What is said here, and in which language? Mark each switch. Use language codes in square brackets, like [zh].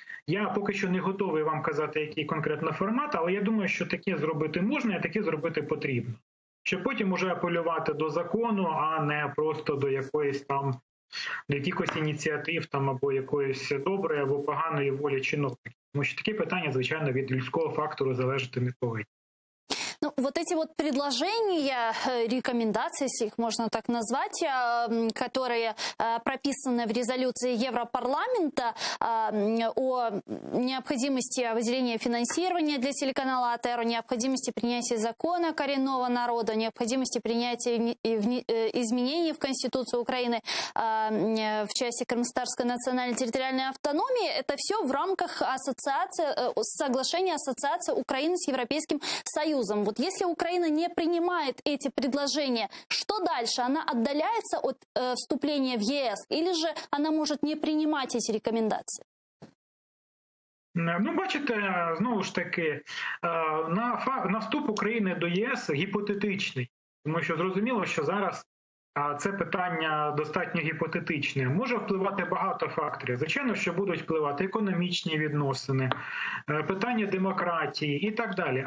[uk] Я поки що не готовий вам казати, який конкретно формат, але я думаю, що таке зробити можна і таке зробити потрібно. Щоб потім уже апелювати до закону, а не просто до якоїсь там... до якихось ініціатив там або якоїсь доброї або поганої волі чиновників. Тому що такі питання, звичайно, від людського фактору залежати не повинні. [ru] Ну, вот эти вот предложения, рекомендации, если их можно так назвать, которые прописаны в резолюции Европарламента о необходимости выделения финансирования для телеканала АТР, о необходимости принятия закона коренного народа, о необходимости принятия изменений в Конституцию Украины в части крымско-татарской национально-территориальной автономии, это все в рамках соглашения Ассоциации Украины с Европейским Союзом. Вот если Украина не принимает эти предложения, что дальше? Она отдаляется от вступления в ЕС или же она может не принимать эти рекомендации? [uk] Ну, бачите, знову ж таки, на вступ України до ЄС гіпотетичний. Тому що зрозуміло, що зараз це питання достатньо гіпотетичне. Може впливати багато факторів. Звичайно, що будуть впливати економічні відносини, питання демократії і так далі.